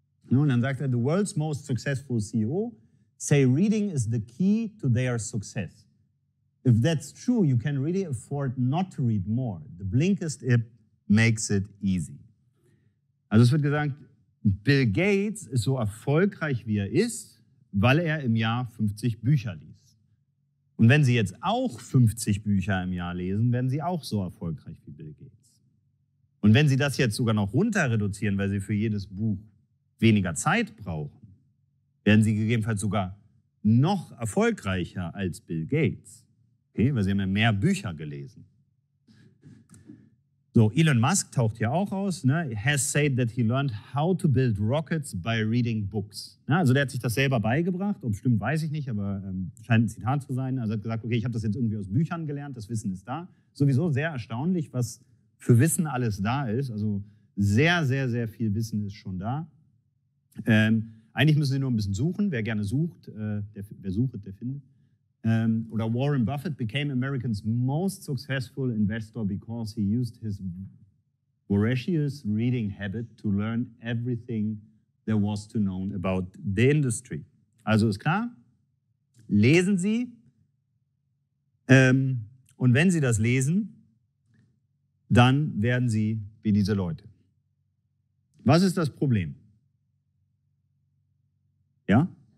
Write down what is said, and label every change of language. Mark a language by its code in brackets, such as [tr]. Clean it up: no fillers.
[de] Und dann sagt er, [en] the world's most successful CEO say reading is the key to their success. If that's true, you can really afford not to read more. The Blinkist app makes it easy. [de] Also es wird gesagt, Bill Gates ist so erfolgreich, wie er ist, weil er im Jahr 50 Bücher liest. Und wenn Sie jetzt auch 50 Bücher im Jahr lesen, werden Sie auch so erfolgreich wie Bill Gates. Und wenn Sie das jetzt sogar noch runter reduzieren, weil Sie für jedes Buch weniger Zeit brauchen, werden Sie gegebenenfalls sogar noch erfolgreicher als Bill Gates. Okay, weil Sie haben ja mehr Bücher gelesen. So, Elon Musk taucht hier auch aus, ne? [en] Has said that he learned how to build rockets by reading books. [de] Ja, also der hat sich das selber beigebracht, ob es stimmt, weiß ich nicht, aber scheint ein Zitat zu sein. Also hat gesagt, okay, ich habe das jetzt irgendwie aus Büchern gelernt, das Wissen ist da. Sowieso sehr erstaunlich, was für Wissen alles da ist. Also sehr, sehr, sehr viel Wissen ist schon da. Eigentlich müssen Sie nur ein bisschen suchen. Wer gerne sucht, wer sucht, der findet. [en] Oder Warren Buffett became America's most successful investor because he used his voracious reading habit to learn everything there was to know about the industry. [de] Also ist klar, lesen Sie. Und wenn Sie das lesen, dann werden Sie wie diese Leute. Was ist das Problem? Ja?